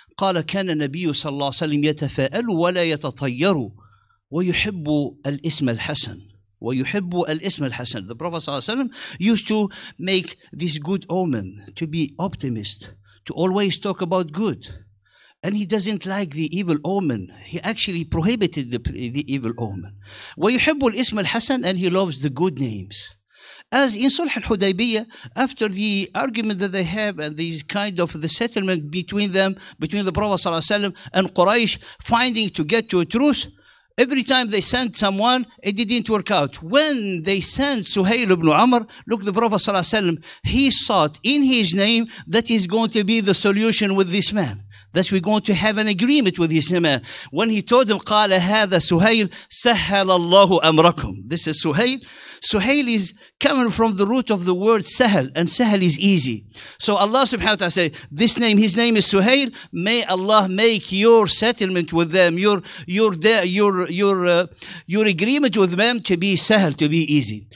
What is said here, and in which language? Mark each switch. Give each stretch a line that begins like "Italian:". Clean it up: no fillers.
Arabic: قال كان النبي صلى الله عليه وسلم يتفاءل ولا يتطير ويحب الاسم الحسن. ويحب الاسم الحسن.
English: The Prophet صلى الله عليه وسلم used to make this good omen, to be optimist, to always talk about good. And he doesn't like the evil omen. He actually prohibited the evil omen. ويحب الاسم الحسن, and he loves the good names. As in Sulh al-Hudaybiyah, after the argument that they have and this kind of the settlement between them, between the Prophet صلى الله عليه وسلم and Quraysh, finding to get to a truth, every time they sent someone, it didn't work out. When they sent Suhail ibn Amr, look, the Prophet صلى الله عليه وسلم, he thought in his name that he's going to be the solution with this man, that we're going to have an agreement with his name.
Arabic: When he told him, قال هذا سهيل سهل الله أمركم.
English: This is Suhail. Suhail is coming from the root of the word sahal, and sahal is easy. So Allah subhanahu wa ta'ala say, this name, his name is Suhail. May Allah make your settlement with them, your agreement with them to be sahal, to be easy.